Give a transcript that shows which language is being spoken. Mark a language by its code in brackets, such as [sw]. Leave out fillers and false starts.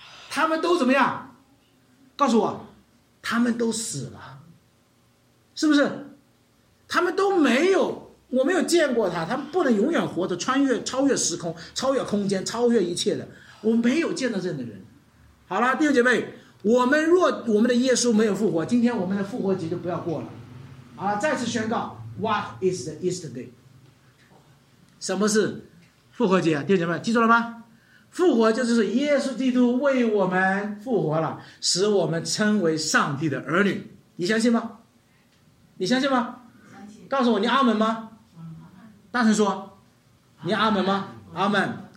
[zh] 他们都怎么样？告诉我，他们都死了，是不是？他们都没有，我没有见过他，他们不能永远活着，穿越超越时空，超越空间，超越一切的，我没有见到这样的人。好了，弟兄姐妹，我们若我们的耶稣没有复活，今天我们的复活节就不要过了。好了，再次宣告 [en] What is the Easter day? [zh] 什么是复活节啊？弟兄姐妹记住了吗？复活就是耶稣基督为我们复活了，使我们称为上帝的儿女，你相信吗？你相信吗？告诉我，你阿门吗？大声说，你阿门吗？阿门。